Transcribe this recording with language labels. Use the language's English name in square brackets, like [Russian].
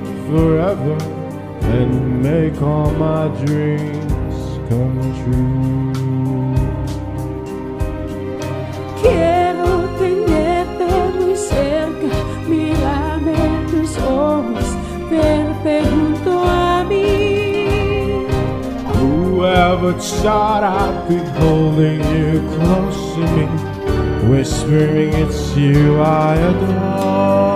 [English] forever, and make all my dreams come true. [Spanish] Quiero tenerte muy cerca, mírame tus ojos, verte junto a mí. [English] Whoever thought I'd be holding you close to me, whispering it's you I adore.